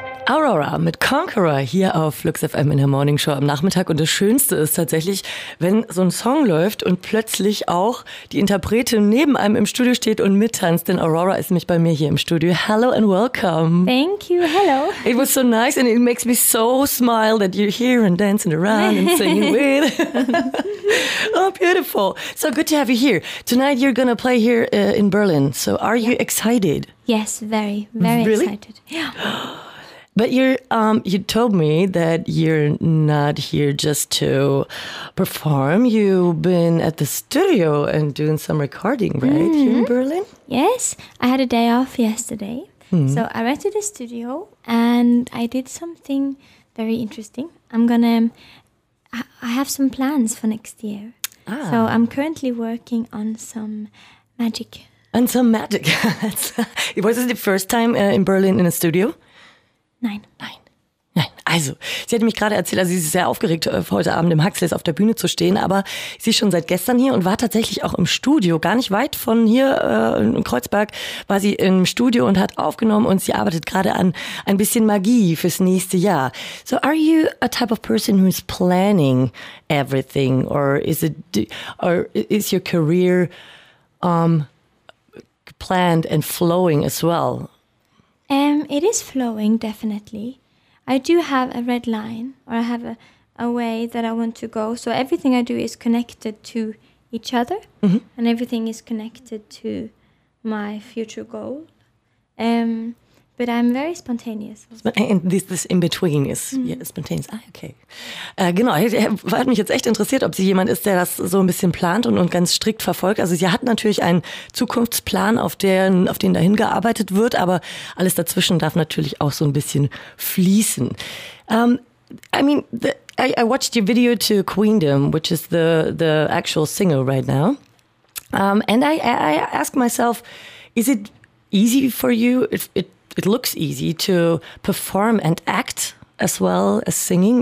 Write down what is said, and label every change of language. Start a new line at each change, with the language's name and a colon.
German: Aurora mit Conqueror hier auf Flux FM in der Morning Show am Nachmittag. Und das Schönste ist tatsächlich, wenn so ein Song läuft und plötzlich auch die Interpretin neben einem im Studio steht und mittanzt. Denn Aurora ist nämlich bei mir hier im Studio.
English: Hello and welcome. Thank you. Hello. It was so nice and it makes me so smile that you're here and dancing around and singing with. Oh, beautiful. So good to have you here. Tonight you're going to play here in Berlin. So are you excited? Yes, very, very really? Excited. Yeah. But you told me that you're not here just to perform. You've been at the studio and doing some recording, right, here in Berlin? Yes, I had a day off yesterday. Mm. So I went to the studio and I did something very interesting. I have some plans for next year. Ah. So I'm currently working on some magic. And some magic. Was it the first time in Berlin in a studio?
German: Nein. Also, sie hat mich gerade erzählt, also sie ist sehr aufgeregt, heute Abend im Huxleys auf der Bühne zu stehen, aber sie ist schon seit gestern hier und war tatsächlich auch im Studio, gar nicht weit von hier in Kreuzberg, war sie im Studio und hat aufgenommen und sie arbeitet gerade an ein bisschen Magie fürs nächste Jahr.
English: So, are you a type of person who's planning everything or is your career planned and flowing as well? It is flowing, definitely. I do have a red line, or I have a way that I want to go. So everything I do is connected to each other, and everything is connected to my future goal. But I'm very spontaneous. And this in between is spontaneous. Ah, okay.
German: Genau, hat mich jetzt echt interessiert, ob sie jemand ist, der das so ein bisschen plant und ganz strikt verfolgt. Also sie hat natürlich einen Zukunftsplan, auf den dahin gearbeitet wird, aber alles dazwischen darf natürlich auch so ein bisschen fließen.
English: I watched your video to Queendom, which is the actual single right now. And I ask myself, is it easy for you It looks easy to perform and act as well as singing.